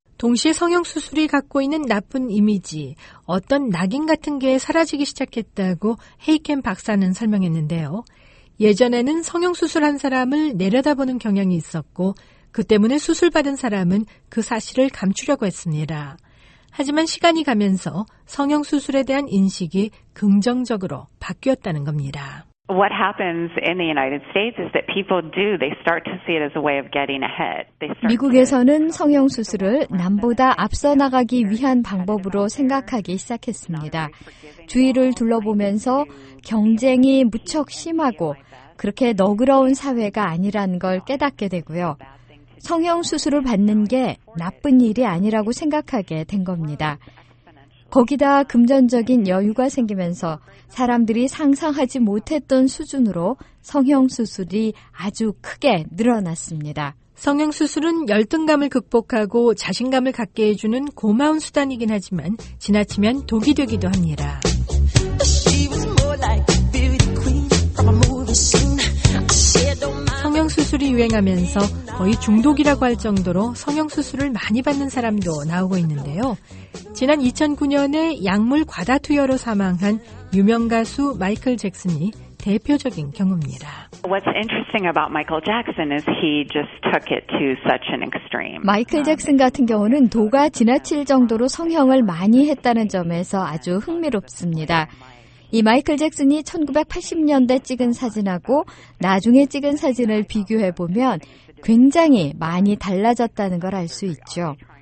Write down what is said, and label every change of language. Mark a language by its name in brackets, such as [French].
[Korean] 동시에 성형수술이 갖고 있는 나쁜 이미지, 어떤 낙인 같은 게 사라지기 시작했다고 헤이켄 박사는 설명했는데요. 예전에는 성형수술한 사람을 내려다보는 경향이 있었고 그 때문에 수술받은 사람은 그 사실을 감추려고 했습니다. 하지만 시간이 가면서 성형수술에 대한 인식이 긍정적으로 바뀌었다는 겁니다. [English] What happens in the United States is that people do, they start to see it as a way of getting ahead. [Korean] 미국에서는 성형 수술을 남보다 앞서 나가기 위한 방법으로 생각하기 시작했습니다. 주위를 둘러보면서 경쟁이 무척 심하고 그렇게 너그러운 사회가 아니라는 걸 깨닫게 되고요. 성형 수술을 받는 게 나쁜 일이 아니라고 생각하게 된 겁니다. 거기다 금전적인 여유가 생기면서 사람들이 상상하지 못했던 수준으로 성형수술이 아주 크게 늘어났습니다. 성형수술은 열등감을 극복하고 자신감을 갖게 해주는 고마운 수단이긴 하지만 지나치면 독이 되기도 합니다. 성형수술이 유행하면서 거의 중독이라고 할 정도로 성형수술을 많이 받는 사람도 나오고 있는데요. 지난 2009년에 약물 과다 투여로 사망한 유명 가수 마이클 잭슨이 대표적인 경우입니다. [English] What's interesting about Michael Jackson is he just took it to such an extreme. [Korean] 마이클 잭슨 같은 경우는 도가 지나칠 정도로 성형을 많이 했다는 점에서 아주 흥미롭습니다. 이 마이클 잭슨이 1980년대 찍은 사진하고 나중에 찍은 사진을 비교해보면 굉장히 많이 달라졌다는 걸 알 수 있죠.